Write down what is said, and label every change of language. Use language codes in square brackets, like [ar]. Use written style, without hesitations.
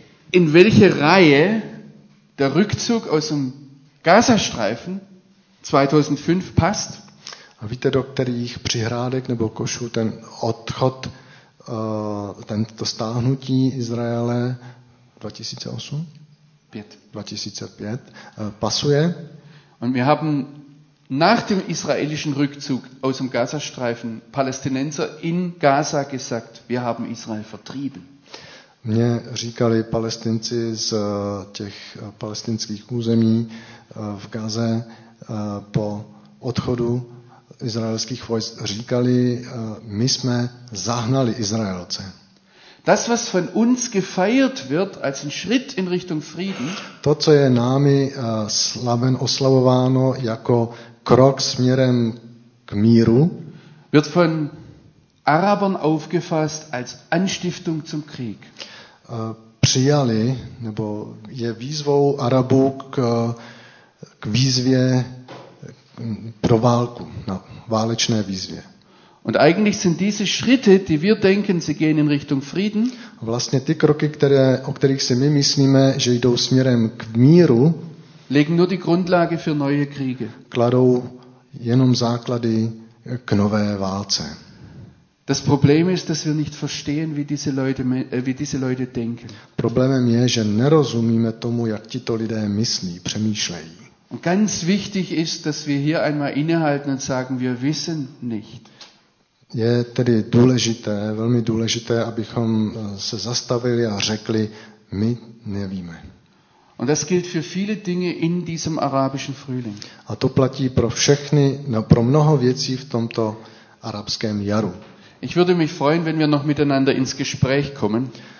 [de] In welche Reihe der Rückzug aus dem Gazastreifen 2005 passt? [cs] A víte, do kterých přihrádek nebo košů ten odchod, tento stáhnutí Izraele 2005 pasuje? [de] Und wir haben nach dem israelischen Rückzug aus dem Gazastreifen Palästinenser in Gaza gesagt, wir haben Israel vertrieben. [cs] Mně říkali Palestinci z těch palestinských území v Gaze po odchodu izraelských vojsk říkali, my jsme zahnali Izraelce. [de] Das, was von uns gefeiert wird als ein Schritt in Richtung Frieden, [cs] to, co je námi oslavováno jako krok směrem k míru, [de] wird von Arabern aufgefasst als Anstiftung zum Krieg. [cs] Přijali, nebo je výzvou Arabů k výzvě pro válku, na válečné výzvě. [de] Und eigentlich sind diese Schritte, die wir denken, sie gehen in Richtung Frieden. [cs] Vlastně ty kroky, o kterých si my myslíme, že jdou směrem k míru, [de] legen nur die Grundlage für neue Kriege. [cs] Kladou jenom základy k nové válce. [de] Das Problem ist, dass wir nicht verstehen, wie diese Leute denken. [cs] Problémem je, že nerozumíme tomu, jak tito lidé myslí, přemýšlejí. [de] Und ganz wichtig ist, dass wir hier einmal innehalten und sagen, wir wissen nicht. [cs] Je tedy důležité, velmi důležité, abychom se zastavili a řekli, my nevíme. [de] Und das gilt für viele Dinge in diesem arabischen Frühling. [cs] A to platí pro všechny, pro mnoho věcí v tomto arabském jaru. [de] Ich würde mich freuen, wenn wir noch miteinander ins Gespräch kommen.